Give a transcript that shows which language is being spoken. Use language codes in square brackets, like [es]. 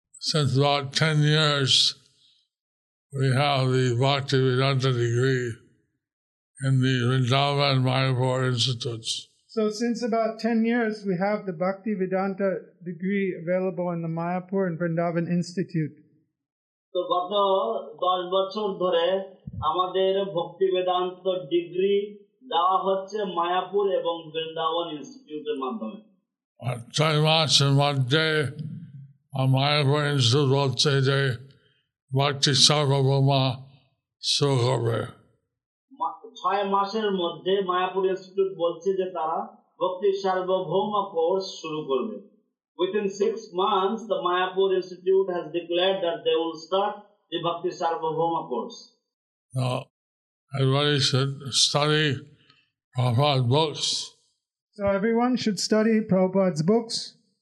[en] Since about 10 years we have the Bhakti Vedanta degree in the Vrindavan Mayapur Institutes. So since about 10 years we have the Bhakti Vedanta degree available in the Mayapur and Vrindavan Institute. [bn] তো গত 10 বছর ধরে আমাদের ভক্তি Vedanta degree দেওয়া হচ্ছে মায়াপুর এবং বৃন্দাবন ইনস্টিটিউটের মাধ্যমে। ত্রৈমাসের মধ্যে মায়াপুর ইনস্টিটিউট বলছে যে ভক্তি সার্বভৌমা শুরু হবে। ছয় মাসের মধ্যে মায়াপুর ইনস্টিটিউট বলছে যে তারা ভক্তি সার্বভৌমা কোর্স শুরু করবে। [en] Within 6 months, the Mayapur Institute has declared that they will start the Bhakti Sarvabhauma course. Now, everybody should study Prabhupada's books. So everyone should study Prabhupada's books.